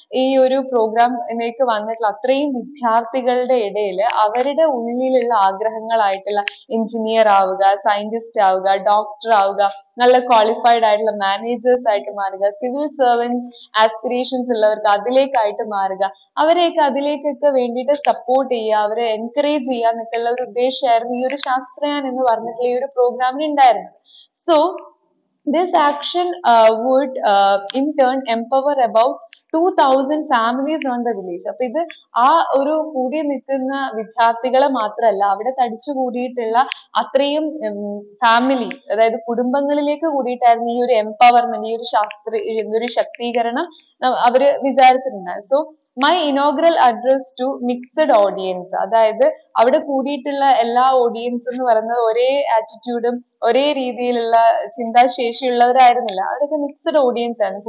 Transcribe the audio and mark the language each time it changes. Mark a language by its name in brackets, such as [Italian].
[Malayalam] ഈ ഒരു പ്രോഗ്രാമിലേക്ക് വന്നിട്ടുള്ള അത്രയും വിദ്യാർത്ഥികളുടെ ഇടയിൽ അവരുടെ ഉള്ളിലുള്ള ആഗ്രഹങ്ങളായിട്ടുള്ള എഞ്ചിനീയർ ആവുക, സയന്റിസ്റ്റ് ആവുക, ഡോക്ടർ ആവുക, നല്ല ക്വാളിഫൈഡ് ആയിട്ടുള്ള മാനേജേഴ്സ് ആയിട്ട് മാറുക, സിവിൽ സർവൻസ് ആസ്പിറേഷൻസ് ഉള്ളവർക്ക് അതിലേക്കായിട്ട് മാറുക, അവരെയൊക്കെ അതിലേക്കൊക്കെ വേണ്ടിയിട്ട് സപ്പോർട്ട് ചെയ്യുക, അവരെ എൻകറേജ് ചെയ്യുക എന്നൊക്കെ ഉള്ള ഒരു ഉദ്ദേശമായിരുന്നു ഈ ഒരു ശാസ്ത്രയാൻ എന്ന് പറഞ്ഞിട്ടുള്ള ഈ ഒരു പ്രോഗ്രാമിന് ഉണ്ടായിരുന്നത്. So [English] This action would in turn empower about 2,000 families on the village. [Malayalam] അപ്പൊ ഇത് ആ ഒരു കൂടി നിൽക്കുന്ന വിദ്യാർത്ഥികളെ മാത്രമല്ല, അവിടെ തടിച്ചു കൂടിയിട്ടുള്ള അത്രയും ഫാമിലി, അതായത് കുടുംബങ്ങളിലേക്ക് കൂടിയിട്ടായിരുന്നു ഈ ഒരു എംപവർമെന്റ്, ഈ ഒരു ശക്തീകരണം അവര് വിചാരിച്ചിട്ടുണ്ടായി. [English] so my inaugural address to mixed audience, [Malayalam] അതായത് അവിടെ കൂടിയിട്ടുള്ള എല്ലാ ഓഡിയൻസ് എന്ന് പറയുന്നത് ഒരേ ആറ്റിറ്റ്യൂഡും ഒരേ രീതിയിലുള്ള ചിന്താശേഷിയുള്ളവരായിരുന്നില്ല, അവരൊക്കെ മിക്സഡ് ഓഡിയൻസ് ആണ്.